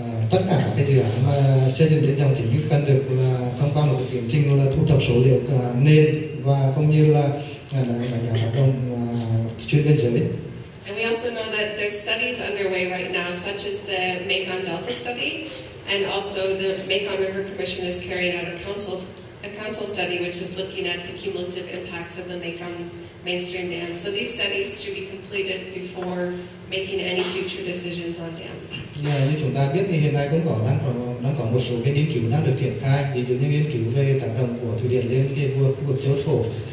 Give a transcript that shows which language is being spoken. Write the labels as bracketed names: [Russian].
[Vietnamese] Tất cả các cái dự án mà xây dựng đến dòng chính cũng cần được thông qua một cái tiến trình là thu thập số liệu nền và cũng như là nhà hoạt động chuyên biên giới. [English] And we also know that there's studies underway right now, such as the Mekong Delta study, and also the Mekong River Commission has carried out a council study, which is looking at the cumulative impacts of the Mekong mainstream dams. So these studies should be completed before making any future decisions on dams. [Vietnamese] Yeah, như chúng ta biết thì hiện nay cũng đang có một số cái nghiên cứu đang được triển khai, ví dụ như nghiên cứu về tác động của thủy điện lên cái khu vực châu thổ.